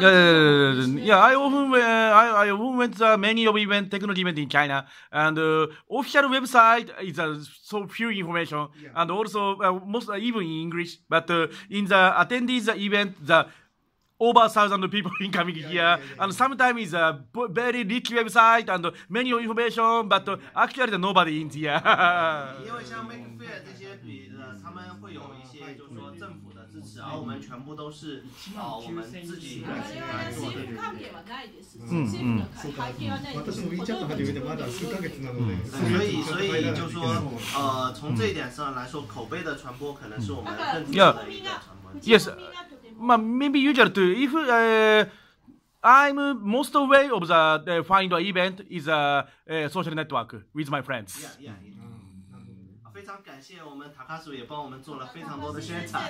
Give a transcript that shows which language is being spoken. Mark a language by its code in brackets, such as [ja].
[en] I often went to many of event, technology event in China, and official website is so few information, and also most even in English, but in the attendees event, theover 1,000 people incoming here, and sometimes it's a very rich website and many information, but actually nobody in here. [zh] 因为像 MakeFair 这些比的，他们会有一些就是说政府的支持，而我们全部都是我们自己来做的。政府 [ja] 関係はないです。私も WeChat 始めてまだ数ヶ月なので。 [zh] 所以就是说，从这一点上来说，口碑的传播可能是我们更重要的一个传播。 [en] Yes. Maybe usual too. If I'm most way of the find event is a social network with my friends. Yeah. [zh] 非常感谢我们高橋也帮我们做了非常多的宣传。